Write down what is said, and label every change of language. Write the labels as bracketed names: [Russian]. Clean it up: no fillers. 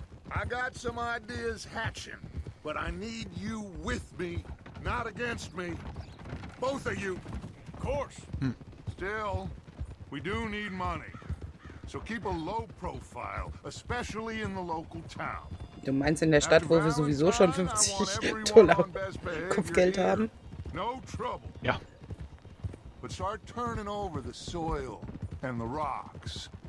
[English] I got some ideas hatching, but I need you with me, not against me. Both of you. Of course. Hmm. Still, we do need money. So keep a low profile, especially in the local town. [German] Du meinst in der Stadt, wo wir sowieso schon 50 Dollar Kopfgeld haben? [English] No trouble. [German] Ja. [English] But start turning over the soil and the rocks.